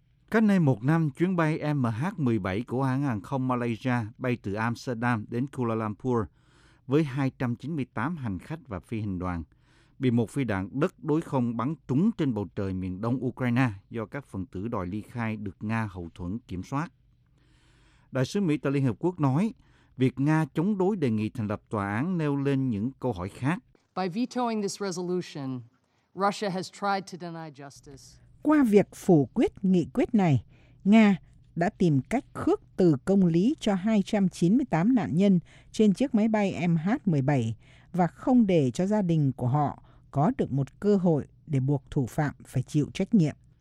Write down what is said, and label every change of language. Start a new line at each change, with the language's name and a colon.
Vietnamese: Cách nay một năm, chuyến bay MH17 của hãng hàng không Malaysia bay từ Amsterdam đến Kuala Lumpur với 298 hành khách và phi hành đoàn bị một phi đạn đất đối không bắn trúng trên bầu trời miền đông Ukraine do các phần tử đòi ly khai được Nga hậu thuẫn kiểm soát. Đại sứ Mỹ tại Liên Hợp Quốc nói, việc Nga chống đối đề nghị thành lập tòa án nêu lên những câu hỏi khác.
English: By vetoing this resolution, Russia has tried to deny justice.
Vietnamese: Qua việc phủ quyết nghị quyết này, Nga đã tìm cách khước từ công lý cho 298 nạn nhân trên chiếc máy bay MH17 và không để cho gia đình của họ có được một cơ hội để buộc thủ phạm phải chịu trách nhiệm.